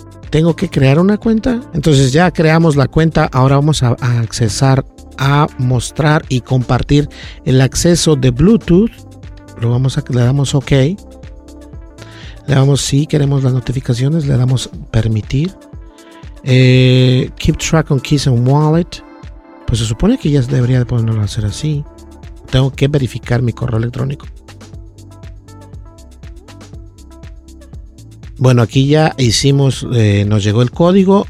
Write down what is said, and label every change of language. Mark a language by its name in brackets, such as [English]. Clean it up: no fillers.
[Spanish] ¿Tengo que crear una cuenta? Entonces ya creamos la cuenta. Ahora vamos a accesar a mostrar y compartir el acceso de Bluetooth. Le damos OK. Le damos sí, queremos las notificaciones. Le damos permitir. [English] Keep track on keys and wallet. [Spanish] Pues se supone que ya debería de poderlo hacer así. Tengo que verificar mi correo electrónico. Bueno, aquí ya hicimos, nos llegó el código.